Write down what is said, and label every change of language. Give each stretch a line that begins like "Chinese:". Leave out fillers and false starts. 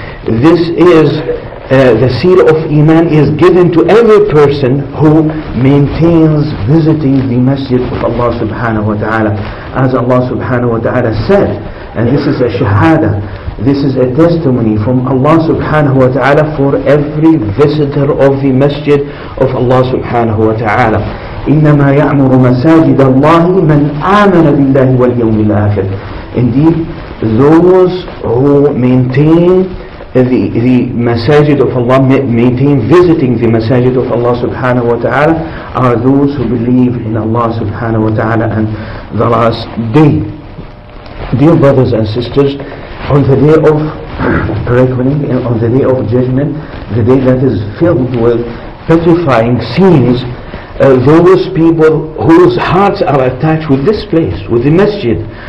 English: This is the seal of iman is given to every person who maintains visiting the masjid of Allah subhanahu wa ta'ala. As Allah subhanahu wa ta'ala said, and this is a shahada, this is a testimony from Allah subhanahu wa ta'ala for every visitor of the masjid of Allah subhanahu wa ta'ala.
Arabic: إنما يعمر مساجد الله من آمن بالله واليوم الآخر.
English: Indeed, those who maintain the masajid of Allah, maintain visiting the masajid of Allah subhanahu wa ta'ala, are those who believe in Allah subhanahu wa ta'ala and the last day. Dear brothers and sisters, on the day of reckoning, on the day of judgment, the day that is filled with petrifying scenes, those people whose hearts are attached with this place, with the masjid,